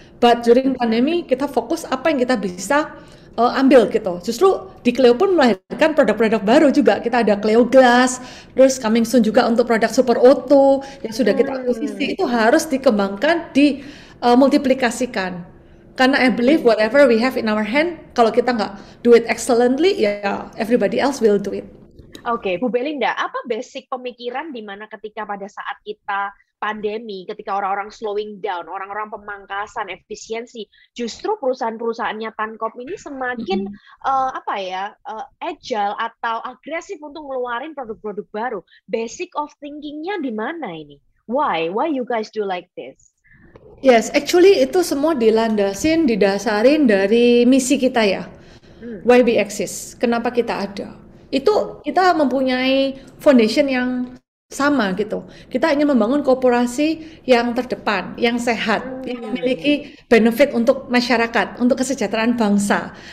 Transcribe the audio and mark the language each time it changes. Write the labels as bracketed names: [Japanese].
[English] But during [Indonesian] pandemi kita fokus apa yang kita bisa ambil gitu. Justru di Cleo pun melahirkan produk-produk baru juga. Kita ada Cleo Glass, terus [English] coming soon [Indonesian] juga untuk produk Super Auto yang sudah kita akuisisi, itu harus dikembangkan, dimultiplikasikan. [English] Karena I believe whatever we have in our hand, [Indonesian] kalau kita nggak [English] do it excellently, ya yeah, everybody else will do it. [Indonesian] Oke, Bu Belinda, apa basic pemikiran di mana ketika pada saat kita pandemi, ketika orang-orang slowing down, orang-orang pemangkasan efisiensi, justru perusahaan-perusahaannya Tankop ini semakin apa ya, agile atau agresif untuk ngeluarin produk-produk baru. Basic of thinkingnya di mana ini? [English] Why you guys do like this? Yes, actually [Indonesian] itu semua dilandasin, didasarin dari misi kita ya. [English] Why we exist, [Indonesian] kenapa kita ada. Itu kita mempunyai foundation yang sama gitu. Kita ingin membangun korporasi yang terdepan, yang sehat, yang memiliki benefit untuk masyarakat, untuk kesejahteraan bangsa.